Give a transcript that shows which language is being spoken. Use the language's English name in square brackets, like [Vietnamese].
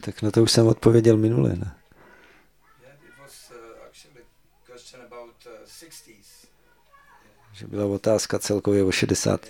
[Czech] Tak na to už jsem odpověděl minule, ne? [English] Yeah, it was actually a question about 60s. [Czech] že byla otázka celkově o 60.